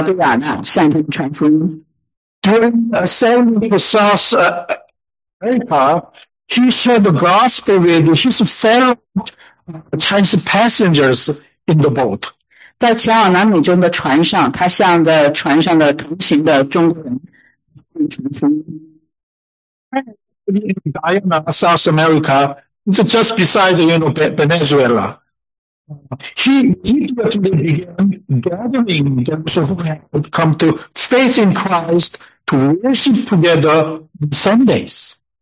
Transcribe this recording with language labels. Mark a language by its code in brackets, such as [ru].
[zh] 那个像这些被称为苦力的这些劳动人传福音，他自己自愿的成为劳动，去了英属的贝亚纳向他们传福音。 [en] During a sailing to South America, he shared the gospel with his fellow Chinese passengers in the boat. [zh] 在前往南美洲的船上，他向着船上的同行的中国人传福音。 [en] In South America, it's just beside, you know, Venezuela. He immediately began gathering those who had come to faith in Christ to worship together on Sundays.